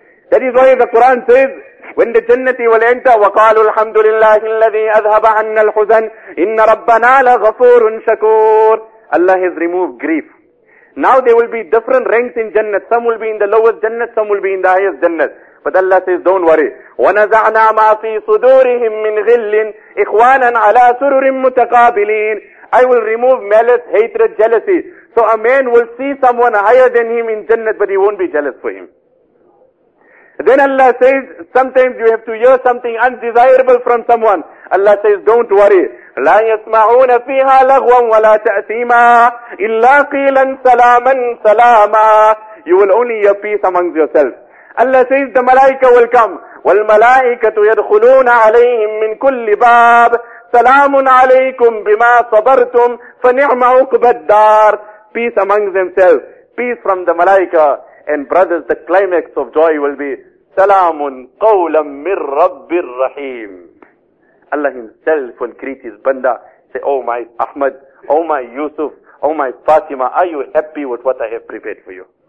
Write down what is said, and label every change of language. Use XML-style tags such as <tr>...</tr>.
<en>That is why the Quran says, when the jannati will enter,</en> <ar>وَقَالُوا الْحَمْدُ لِلَّهِ الَّذِي أَذْهَبَ عَنَّ الْحُزَنِ إِنَّ رَبَّنَا لَغَفُورٌ شَكُورٌ.</ar> <en>Allah has removed grief. Now there will be different ranks in jannat. Some will be in the lowest jannat, some will be in the highest jannat. But Allah says, don't worry.</en> <ar>وَنَزَعْنَا مَا فِي صُدُورِهِمْ مِنْ غِلٍّ إِخْوَانًا عَلَى سُرُرٍ مُتَقَابِلِينَ.</ar> <en>I will remove malice, hatred, jealousy. So a man will see someone higher than him in Jannah, but he won't be jealous for him. Then Allah says, sometimes you have to hear something undesirable from someone. Allah says, don't worry.</en> <ar>لا يسمعون فيها لغوا ولا تأثيما إلا قيلا سلاما سلاما.</ar> <en>You will only hear peace amongst yourself. Allah says the malaika will come.</en> <ar>والملائكة يدخلون عليهم من كل باب سلام عليكم بما صبرتم فنعم عقب الدار.</ar> <en>Peace amongst themselves. Peace from the malaika. And brothers, the climax of joy will be</en> <ar>سلام قولا من رب الرحيم.</ar> <en>Allah himself will greet his banda. Say, oh my Ahmad, oh my Yusuf, oh my Fatima, are you happy with what I have prepared for you?</en>